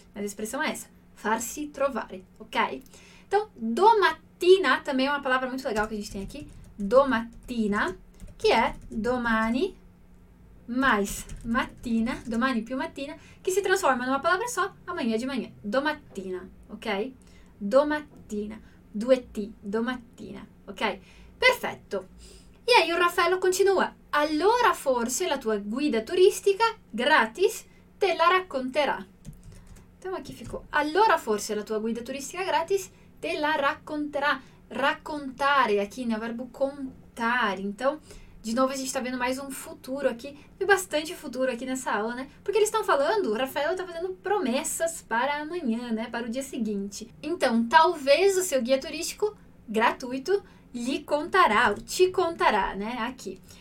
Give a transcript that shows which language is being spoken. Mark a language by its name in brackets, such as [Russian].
[Portuguese] Mas a expressão é essa, farsi trovare, ok? Então, domattina também é uma palavra muito legal que a gente tem aqui, domattina, que é domani mais mattina, [Italian] domani più mattina, [Portuguese] que se transforma numa palavra só, amanhã de manhã, domattina, ok? [Italian] Domattina, due t, domattina, ok? Perfetto. [Portuguese] E aí o Raffaello continua. [Italian] Allora forse la tua guida turistica gratis te la racconterà. [Portuguese] Então aqui ficou. [Italian] Allora forse la tua guida turistica gratis te la racconterà. [Portuguese] Raccontare aqui, né? O verbo contare. Então, de novo, a gente está vendo mais um futuro aqui. E bastante futuro aqui nessa aula, né? Porque eles estão falando, o Raffaello está fazendo promessas para amanhã, né? Para o dia seguinte. Então, talvez o seu guia turístico gratuito lhe contará, ou te contará, né? Aqui.